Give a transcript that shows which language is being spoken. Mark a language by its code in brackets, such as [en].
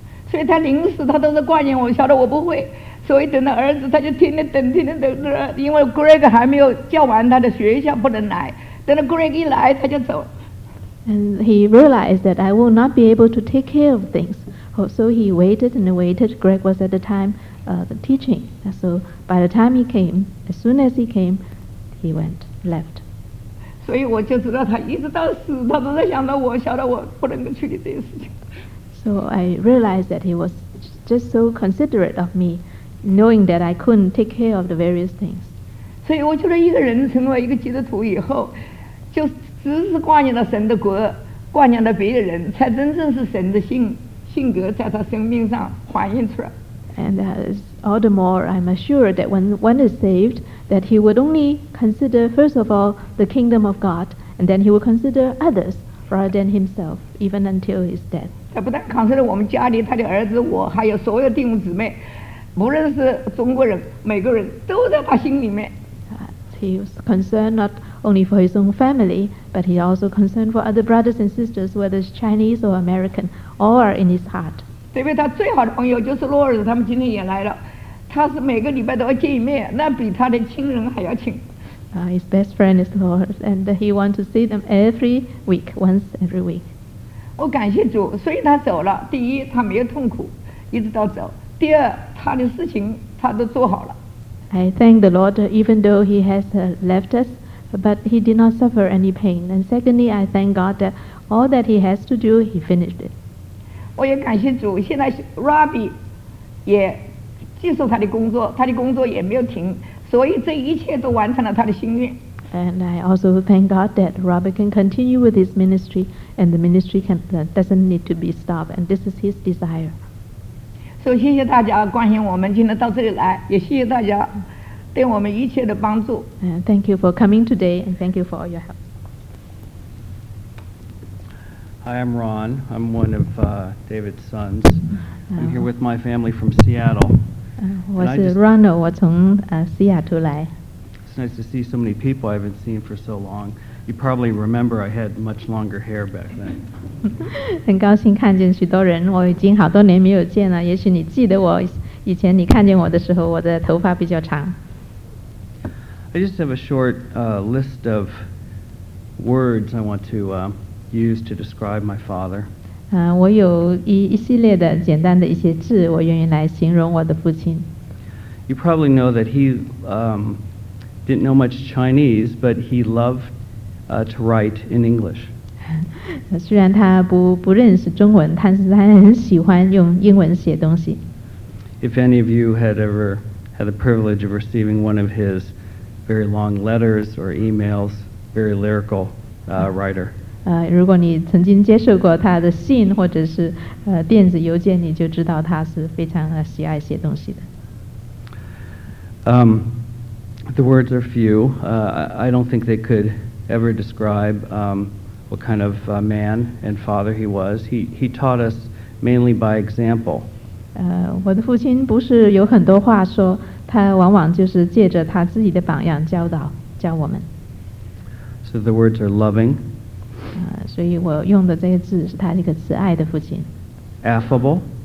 [zh] 所以他临死他都是挂念我，晓得我不会，所以等到儿子他就天天等，天天等，因为 Greg 还没有叫完他的学校不能来，等到 Greg 一来他就走。 [en] And he realized that I will not be able to take care of things. So he waited and waited. Greg was at the time teaching. So by the time he came, as soon as he came, he went, left. [zh] 所以我就知道他一直到死他都在想到我，晓得我不能够处理这些事情。 [en] So I realized that he was just so considerate of me, knowing that I couldn't take care of the various things. [zh] 所以我觉得一个人成为一个基督徒以后，就只是挂念了神的国，挂念了别人，才真正是神的性格在他生命上反映出来。 [en] And all the more, I'm assured that when one is saved, that he would only consider, first of all, the kingdom of God, and then he would consider others rather than himself, even until his death. [zh] 他不但consider我们家里他的儿子，我还有所有弟兄姊妹，不论是中国人，每个人都在他心里面。 [en] He was concerned not only for his own family, but he also concerned for other brothers and sisters, whether it's Chinese or American, all are in his heart. [zh] 对不对？他最好的朋友就是洛尔，他们今天也来了。他是每个礼拜都要见一面，那比他的亲人还要亲。 [en] His best friend is Lord, and he wants to see them every week, once every week. [zh] 我感谢主，所以他走了。第一，他没有痛苦，一直到走；第二，他的事情他都做好了。 [en] I thank the Lord, even though he has left us, but he did not suffer any pain. And secondly, I thank God that all that he has to do, he finished it. [zh] 我也感谢主，现在 Robbie 也接受他的工作，他的工作也没有停，所以这一切都完成了他的心愿。 [en] And I also thank God that Robbie can continue with his ministry, and the ministry doesn't need to be stopped, and this is his desire. [zh] So 谢谢大家关心我们今天到这里来，也谢谢大家对我们一切的帮助。 [en] And thank you for coming today, and thank you for all your help. Hi, I'm Ron. I'm one of David's sons. I'm here with my family from Seattle. [zh] 我是 Ronald, 我从西雅图来。 [en] It's nice to see so many people I haven't seen for so long. You probably remember I had much longer hair back then. [zh] 很高兴看见许多人，我已经好多年没有见了。也许你记得我，以前你看见我的时候，我的头发比较长。 [en] I just have a short list of words I want to use to describe my father. [zh] 我有一系列的简单的一些字，我愿意来形容我的父亲。 [en] You probably know that he didn't know much Chinese, but he loved to write in English. [zh] 虽然他不认识中文，但是他很喜欢用英文写东西。 [en] If any of you had ever had the privilege of receiving one of his very long letters or emails, very lyrical writer. [zh] 如果你曾经接受过他的信或者是电子邮件，你就知道他是非常喜爱写东西的。 [en] The words are few. I don't think they could ever describe what kind of man and father he was. He taught us mainly by example. [zh] 我的父亲不是有很多话说，他往往就是借着他自己的榜样教我们。 [en] So the words are loving. [zh] 所以我用的这个字是他那个慈爱的父亲。 [en] Affable.